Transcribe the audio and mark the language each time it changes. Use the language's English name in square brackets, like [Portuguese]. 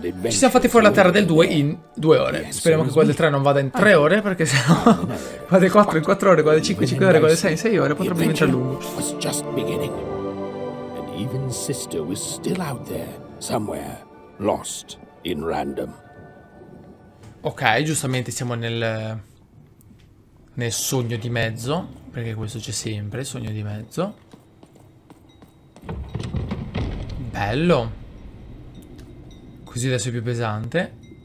[Italian] Ci siamo fatti fuori la terra del 2 in 2 ore. Speriamo che quella del 3 non vada in 3 ore, perché se no quella del 4 in 4 ore, quella del 5 in 5 ore, quella del 6 in 6 ore potrebbe diventare lungo. [English] And even sister was still out there somewhere, lost in random. [Italian] Ok, giustamente siamo nel sogno di mezzo, perché questo c'è sempre, il sogno di mezzo. Bello. Così adesso è più pesante.